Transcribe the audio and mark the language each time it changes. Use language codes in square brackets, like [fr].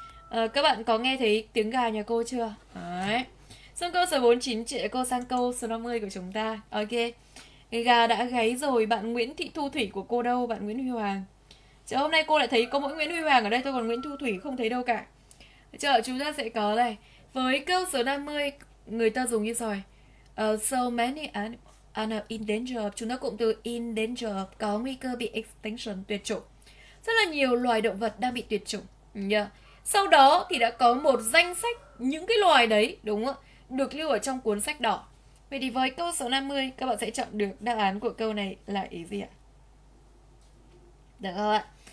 [vi] Các bạn có nghe thấy tiếng gà nhà cô chưa? Đấy. Xong câu số 49, chuyện cô sang câu số 50 của chúng ta. Ok. Gà đã gáy rồi, bạn Nguyễn Thị Thu Thủy của cô đâu? Bạn Nguyễn Huy Hoàng. Chờ hôm nay cô lại thấy có mỗi Nguyễn Huy Hoàng ở đây thôi, còn Nguyễn Thu Thủy không thấy đâu cả. Chờ chúng ta sẽ có này. Với câu số 50, người ta dùng như rồi. [en] So many animals in danger. [vi] Chúng ta cụm từ in danger, có nguy cơ bị extinction, tuyệt chủng. Rất là nhiều loài động vật đang bị tuyệt chủng. Sau đó thì đã có một danh sách những cái loài đấy, đúng không? Được lưu ở trong cuốn sách đỏ. Vậy thì với câu số 50, các bạn sẽ chọn được đáp án của câu này là ý gì ạ? Được không ạ?